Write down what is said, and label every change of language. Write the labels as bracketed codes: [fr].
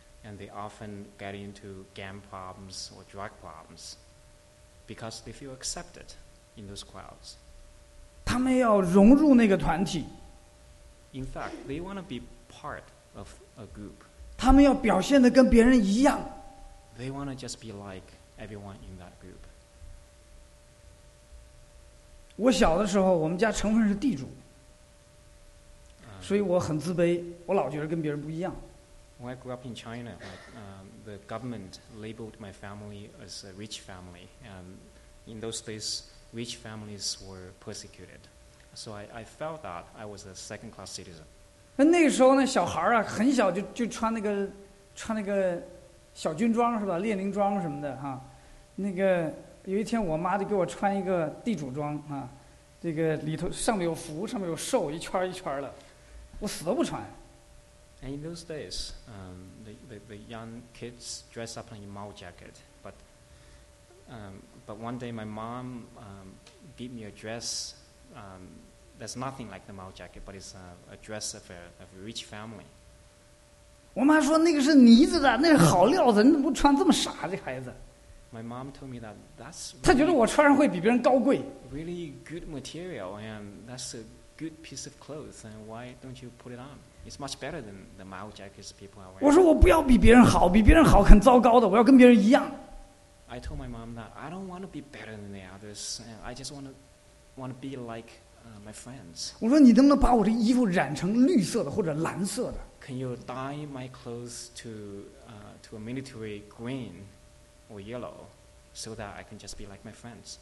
[en] and they often get into gang problems or drug problems because they feel accepted in those crowds. [zh] 他们要融入那个团体。 [en] In fact, they want to be part of a group. [zh] 他们要表现得跟别人一样。 [en] They want to just be like everyone in that group. [zh] 我小的时候，我们家成分是地主，所以我很自卑，我老觉得跟别人不一样。 [en] When I grew up in China, the government labeled my family as a rich family, and in those days, rich families were persecuted. So I felt that I was a second-class citizen. [zh] 那个时候呢，小孩啊，很小就穿那个小军装是吧，列宁装什么的哈。那个有一天，我妈就给我穿一个地主装啊，这个里头上面有福，上面有寿，一圈一圈的，我死都不穿。 [en] And in those days, the young kids dress up in a Mao jacket, but one day my mom gave me a dress that's nothing like the Mao jacket, but it's a dress of a rich family. [zh] 我妈说那个是呢子的，那是好料子，你怎么不穿这么傻这孩子。 [en] My mom told me that that's really, [zh] 她觉得我穿上会比别人高贵。 [en] Really good material, and that's a good piece of clothes, and why don't you put it on? It's much better than the Mao jackets people are wearing. [zh] 我说我不要比别人好，比别人好很糟糕的，我要跟别人一样。 [en] I told my mom that I don't want to be better than the others, and I just want to be like my friends. [zh] 我说你能不能把我这衣服染成绿色的或者蓝色的？ [en] Can you dye my clothes to a military green or yellow so that I can just be like my friends?